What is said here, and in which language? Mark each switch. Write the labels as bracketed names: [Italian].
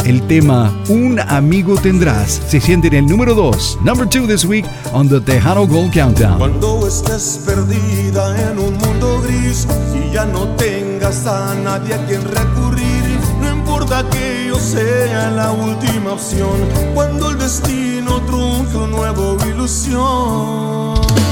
[Spanish] El tema Un Amigo Tendrás se siente en el número dos. [English] Number two this week on the Tejano Gold Countdown. [Spanish] Cuando estés perdida en un mundo gris y ya no tengas a nadie a quien recurrir, no importa que yo sea la última opción, cuando el destino trunque una nueva ilusión.